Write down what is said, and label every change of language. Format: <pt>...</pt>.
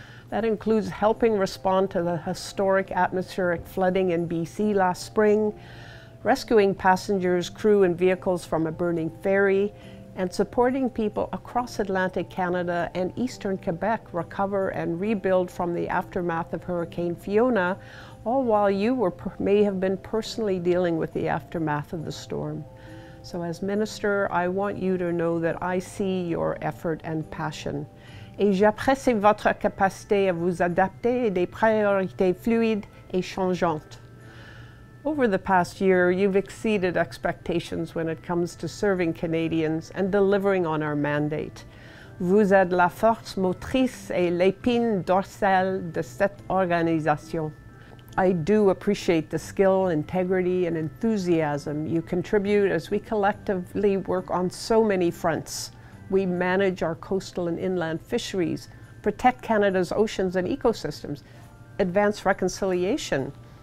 <en>That includes helping respond to the historic atmospheric flooding in BC last spring, rescuing passengers, crew, and vehicles from a burning ferry, and supporting people across Atlantic Canada and Eastern Quebec recover and rebuild from the aftermath of Hurricane Fiona, all while you were may have been personally dealing with the aftermath of the storm. So as Minister, I want you to know that I see your effort and passion.</en> <fr>Et j'apprécie votre capacité à vous adapter et des priorités fluides et changeantes.</fr> <en>Over the past year, you've exceeded expectations when it comes to serving Canadians and delivering on our mandate.</en> <fr>Vous êtes la force motrice et l'épine dorsale de cette organisation.</fr> <en>I do appreciate the skill, integrity, and enthusiasm you contribute as we collectively work on so many fronts. We manage our coastal and inland fisheries, protect Canada's oceans and ecosystems, advance reconciliation.</en>